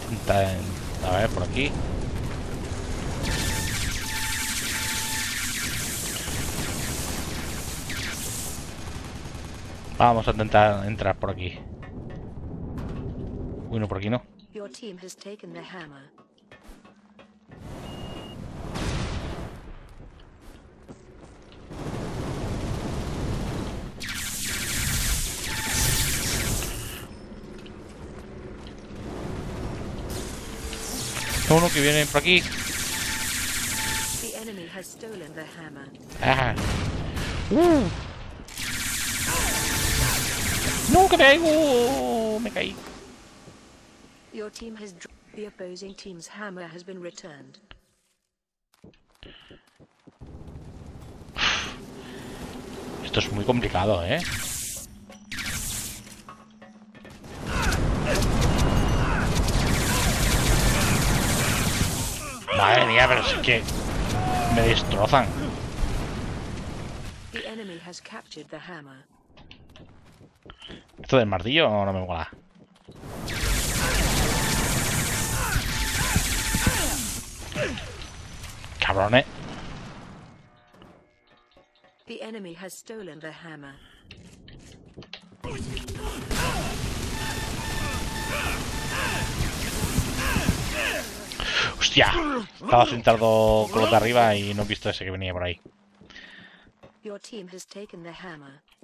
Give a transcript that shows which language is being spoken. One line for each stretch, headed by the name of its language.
Spanish: A ver, por aquí. Vamos a intentar entrar por aquí. Uy, no, por aquí no. Your team has taken the hammer. Uno que viene por aquí.
English: The enemy has stolen the hammer. Ah.
Spanish: No, que me caigo. Me caí.
English: Your team has the opposing team's hammer has been returned.
Spanish: Esto es muy complicado, ¿eh? Madre mía, pero es que me destrozan.
English: The enemy has captured the hammer.
Spanish: ¿Esto del martillo no me mola? Cabrón, ¿eh?
English: The enemy has stolen the hammer.
Spanish: Hostia, estaba sentado con los de arriba y no he visto ese que venía por ahí.
English: Your team has taken the hammer.